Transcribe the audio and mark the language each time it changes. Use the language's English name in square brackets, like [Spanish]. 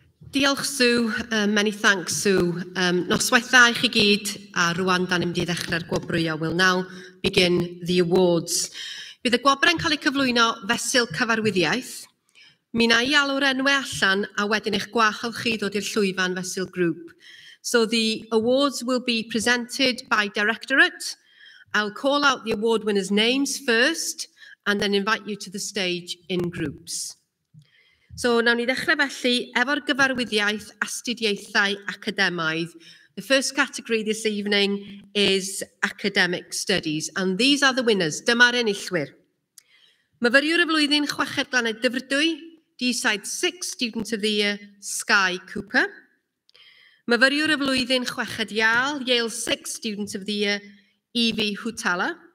[Welsh] Diolch Sue, [English] many thanks Sue. [Welsh] Noswaith dda I chi gyd, a rwan dan ymdi ddechrau'r gwobrwyo. [English] We'll now begin the awards. [Welsh] Bydd y gwobr yn cael ei cyflwyno fesil cyfarwyddiaeth. Mi na i alw'r enwau allan a wedyn eich gwachol chi dod i'r llwyfan fesil grŵp. [English] So the awards will be presented by directorate. I'll call out the award winners' names first and then invite you to the stage in groups. [Welsh] So now ni ddechrau felly efo'r gyfarwyddiaeth astudiaethau academaidd. [English] The first category this evening is academic studies, and these are the winners. [Welsh] Dyma'r enillwyr. Myfyriwr y flwyddyn chweched glanau dyfrdwy, D-Side 6, [English] Student of the Year, [Welsh] Sky Cooper. Myfyriwr y flwyddyn chweched Iâl, Yale 6, [English] Student of the Year, [Welsh] Evie Hutala.